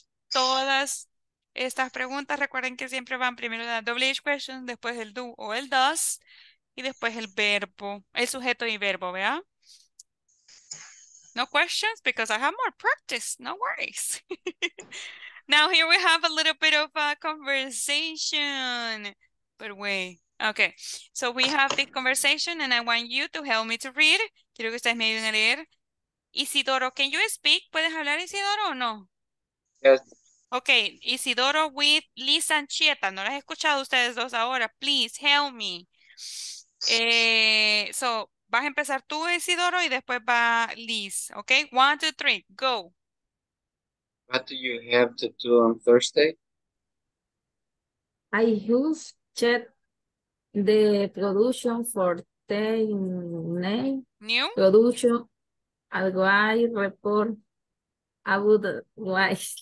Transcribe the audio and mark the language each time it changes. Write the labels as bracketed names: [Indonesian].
[Spanish] Todas estas preguntas, recuerden que siempre van primero la WH question, después el do o el does, y después el verbo, el sujeto y verbo, ¿vea? [English] No questions because I have more practice, no worries. Now here we have a little bit of a conversation. But wait. Okay, so we have this conversation and I want you to help me to read. [Spanish] Quiero que ustedes me ayuden a leer. Isidoro, [English] can you speak? [Spanish] ¿Puedes hablar, Isidoro, o no? [English] Yes. Okay, Isidoro with Lisa and Chieta. [Spanish] No las he escuchado ustedes dos ahora. [English] Please, help me. [Spanish] So, vas a empezar tú, Isidoro, y después va Liz. [English] Okay, 1, 2, 3, go. What do you have to do on Thursday? I use chat the production for 10 names. New? Production, algo report. I would like.